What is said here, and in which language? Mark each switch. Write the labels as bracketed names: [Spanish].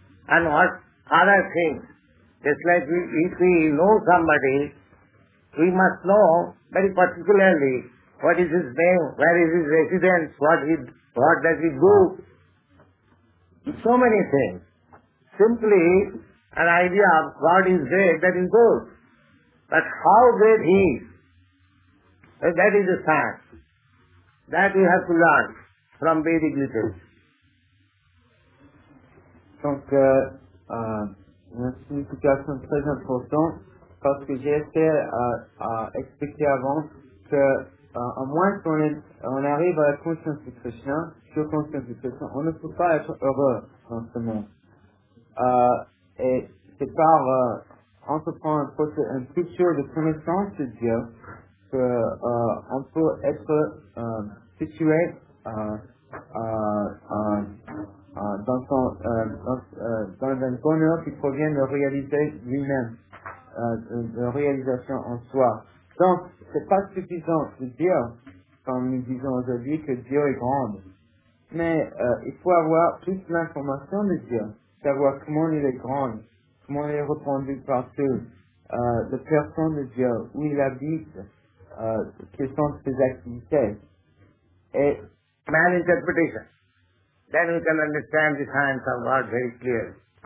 [English] And what other things, just like if we know somebody, we must know very particularly what is his name, where is his residence, what does he do. So many things. Simply an idea of God is great, that is good. But how great he is, that is a fact. That we have to learn from Vedic literature. [French] Donc, une signification très importante, parce que j'ai essayé à expliquer avant que, au moins, quand on arrive à la conscience du Krishna, sur conscience du Krishna, on ne peut pas être heureux dans ce monde. Et c'est par entreprendre un culture de connaissance de Dieu qu'on peut être situé dans un bonheur qui provient de réaliser lui-même, de réalisation en soi. Donc, c'est pas suffisant de dire, comme nous disons aujourd'hui, que Dieu est grand. Mais il faut avoir plus l'information de Dieu, savoir comment il est grand, comment il est répandu partout, la personne de Dieu, où il habite, quelles sont ses activités. Et mal interprétation. [English] Then we can understand the science of God very clearly.